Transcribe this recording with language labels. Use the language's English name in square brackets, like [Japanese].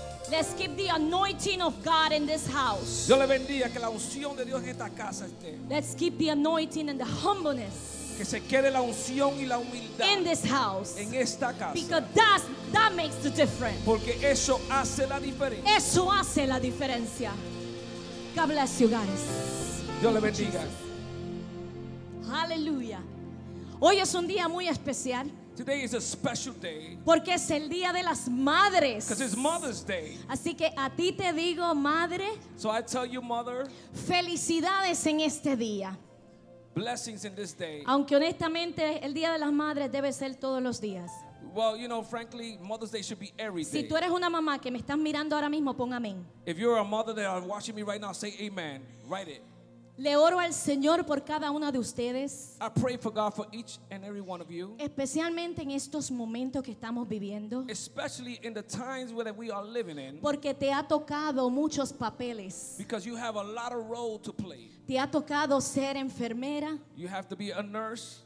[English] Let's keep the anointing of God in this house. [Spanish] Dios le bendiga, que la unción de Dios en esta casa esté. [English] Let's keep the anointing and the humbleness. [Spanish] Que se quede la unción y la humildad. [English] In this house. [Spanish] En esta casa. [English] Because that makes the difference. [Spanish] Porque eso hace la diferencia. Eso hace la diferencia. [English] God bless you guys. [Spanish] Dios le bendiga. Jesus. Hallelujah. Hoy es un día muy especial. [English] Today is a special day. [Spanish] Porque es el día de las madres. [English] Because it's Mother's Day. [Spanish] Así que a ti te digo, madre. [English] So I tell you, mother. [Spanish] Felicidades en este día. [English] Blessings in this day. [Spanish] Aunque honestamente el día de las madres debe ser todos los días. [English] Well, you know, frankly, Mother's Day should be every day. [Spanish] Si tú eres una mamá que me estás mirando ahora mismo, pon amén. [English] If you're a mother that are watching me right now, say amen. Write it. [Spanish] Le oro al Señor por cada una de ustedes. [English] I pray for God for each and every one of you. [Spanish] Especialmente en estos momentos que estamos viviendo. [English] Especially in the times where we are living in. [Spanish] Porque te ha tocado muchos papeles. [English] Because you have a lot of role to play. [Spanish] Te ha tocado ser enfermera. [English] You have to be a nurse.